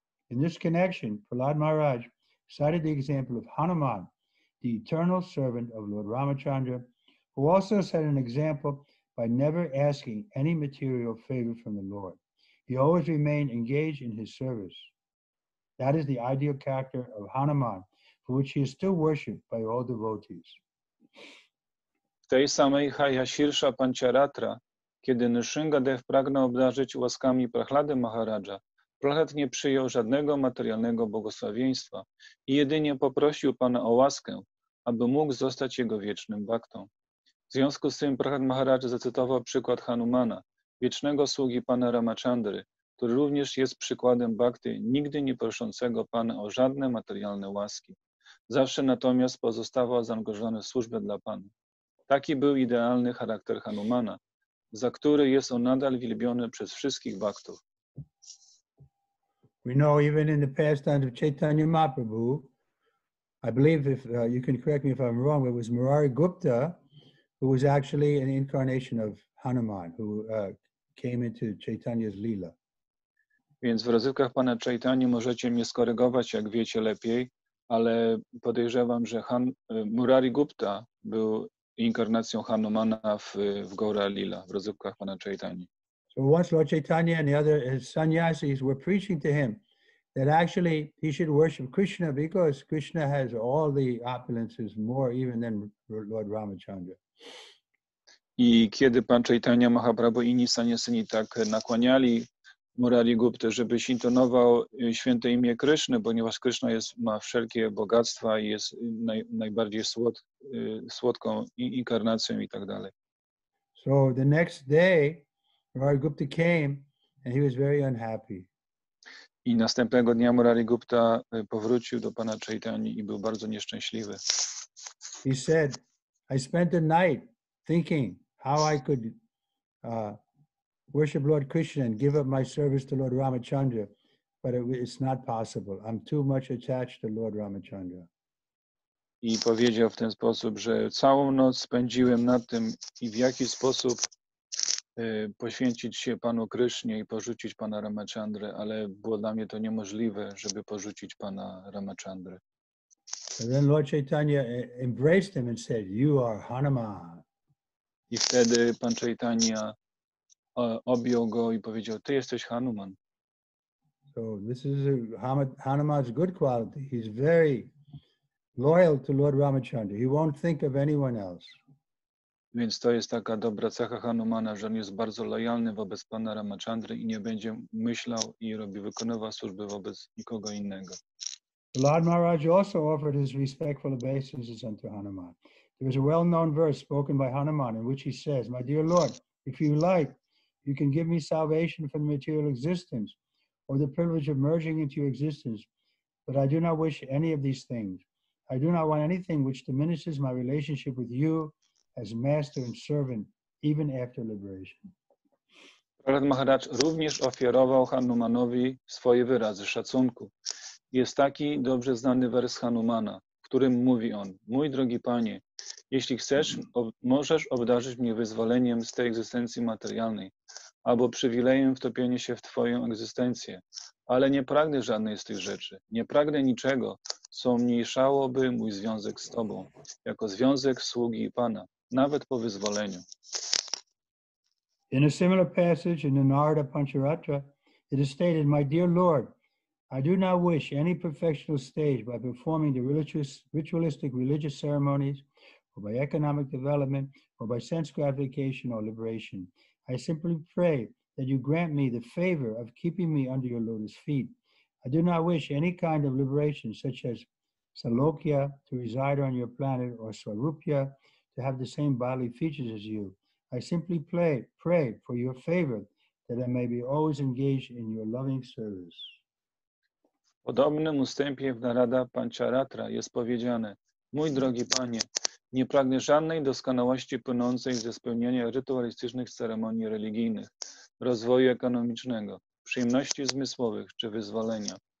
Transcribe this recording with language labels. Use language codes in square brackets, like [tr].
[en] In this connection, Prahlad Maharaj cited the example of Hanuman, the eternal servant of Lord Ramachandra, who also set an example by never asking any material favor from the Lord. He always remained engaged in his service. That is the ideal character of Hanuman, for which he is still worshipped by all devotees. [pl] W tej samej Haya Shirsha Pancharatra, kiedy Nrsimhadev pragnął obdarzyć łaskami Prahlady Maharaja, Prahlad nie przyjął żadnego materialnego błogosławieństwa i jedynie poprosił Pana o łaskę, aby mógł zostać jego wiecznym baktą. W związku z tym Prahlad Maharaj zacytował przykład Hanumana, wiecznego sługi Pana Ramachandry, który również jest przykładem bhakty, nigdy nie proszącego Pana o żadne materialne łaski. Zawsze natomiast pozostawał zaangażowany w służbę dla Pana. Taki był idealny charakter Hanumana, za który jest on nadal wielbiony przez wszystkich bhaktów. [en] We know even in the pastimes of Chaitanya Mahaprabhu, I believe if you can correct me if I'm wrong, it was Murari Gupta who was actually an incarnation of Hanuman, who came into Chaitanya's Lila. [pl] Więc w rozrywkach Pana Chaitanya możecie mnie skorygować, jak wiecie lepiej, ale podejrzewam, że Murari Gupta był inkarnacją Hanumana w Gaura Lila, w rozrywkach Pana Chaitanya. [en] So once Lord Chaitanya and the other sannyasis were preaching to him that actually he should worship Krishna because Krishna has all the opulences more even than Lord Ramachandra. [pl] I kiedy Pan Chaitanya Mahaprabhu i inni sannyasini tak nakłaniali Murari Gupta, żeby intonował święte imię Kryszny, ponieważ Kryszna ma wszelkie bogactwa i jest najbardziej słodką inkarnacją i tak dalej. [en] So the next day Murari Gupta came and he was very unhappy. [pl] I następnego dnia Murari Gupta powrócił do Pana Chaitanya i był bardzo nieszczęśliwy. [en] He said, I spent the night thinking how I could worship Lord Krishna and give up my service to Lord Ramachandra, but it's not possible. I'm too much attached to Lord Ramachandra. [pl] I powiedział w ten sposób, że całą noc spędziłem nad tym i w jaki sposób poświęcić się Panu Krysznie i porzucić Pana Ramachandrę, ale było dla mnie to niemożliwe, żeby porzucić Pana Ramachandrę. [en] And then Lord Chaitanya embraced him and said, you are Hanuman. [pl] I wtedy Pan Chaitanya objął go i powiedział, ty jesteś Hanuman. [en] So this is Hanuman's good quality. He's very loyal to Lord Ramachandra. He won't think of anyone else. [pl] Więc to jest taka dobra cecha Hanumana, że on jest bardzo lojalny wobec Pana Ramachandry i nie będzie myślał i wykonywał służby wobec nikogo innego. [en] Lord Maharaj also offered his respectful obeisances unto Hanuman. There is a well-known verse spoken by Hanuman in which he says, My dear Lord, if you like, you can give me salvation from material existence or the privilege of merging into your existence, but I do not wish any of these things. I do not want anything which diminishes my relationship with you as master and servant, even after liberation. [pl] Prahlad Maharaj również ofiarował Hanumanowi swoje wyrazy szacunku. Jest taki dobrze znany wers Hanumana, w którym mówi on: mój drogi panie, jeśli chcesz, możesz obdarzyć mnie wyzwoleniem z tej egzystencji materialnej albo przywilejem wtopienia się w twoją egzystencję, ale nie pragnę żadnej z tych rzeczy. Nie pragnę niczego, co umniejszałoby mój związek z tobą, jako związek sługi i pana, nawet po wyzwoleniu. [en] In a similar passage in the Narada Pancharatra, it is stated, my dear Lord, I do not wish any professional stage by performing the ritualistic religious ceremonies or by economic development or by sense gratification or liberation. I simply pray that you grant me the favor of keeping me under your lotus feet. I do not wish any kind of liberation such as Salokya to reside on your planet or Swarupya to have the same bodily features as you. I simply pray for your favor that I may be always engaged in your loving service. [pl] W podobnym ustępie w Narada Pancharatra jest powiedziane: mój drogi panie, nie pragnę żadnej doskonałości płynącej ze spełnienia rytualistycznych ceremonii religijnych, rozwoju ekonomicznego, przyjemności zmysłowych czy wyzwolenia.